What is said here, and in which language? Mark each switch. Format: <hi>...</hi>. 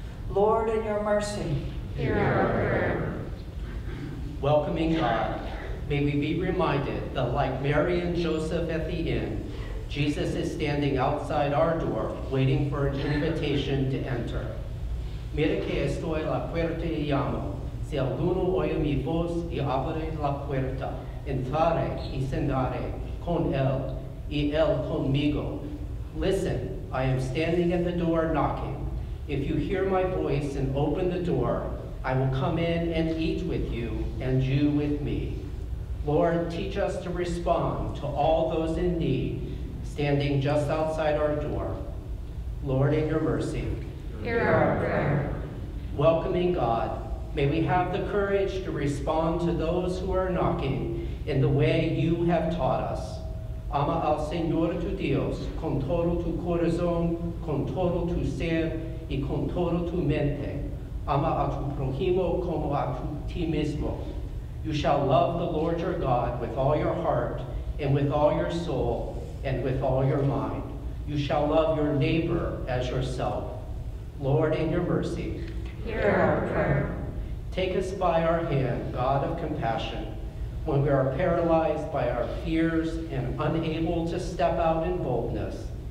<en>Lord, in your mercy, hear our prayer. Welcoming God, may we be reminded that like Mary and Joseph at the inn, Jesus is standing outside our door waiting for an invitation to enter.</en> <es>Mira que estoy la puerta y llamo. Si alguno oye mi voz y abre la puerta, entraré y cenaré con él y él conmigo.</es> <en>Listen, I am standing at the door knocking. If you hear my voice and open the door, I will come in and eat with you and you with me. Lord, teach us to respond to all those in need standing just outside our door. Lord, in your mercy, hear our prayer. Welcoming God, may we have the courage to respond to those who are knocking in the way you have taught us.</en> <es>Ama al Señor tu Dios con todo tu corazón, con todo tu ser y con todo tu mente. Ama a tu prójimo como a ti mismo.</es> <en>You shall love the Lord your God with all your heart and with all your soul and with all your mind. You shall love your neighbor as yourself. Lord, in your mercy, hear our prayer. Take us by our hand, God of compassion, when we are paralyzed by our fears and unable to step out in boldness.</en>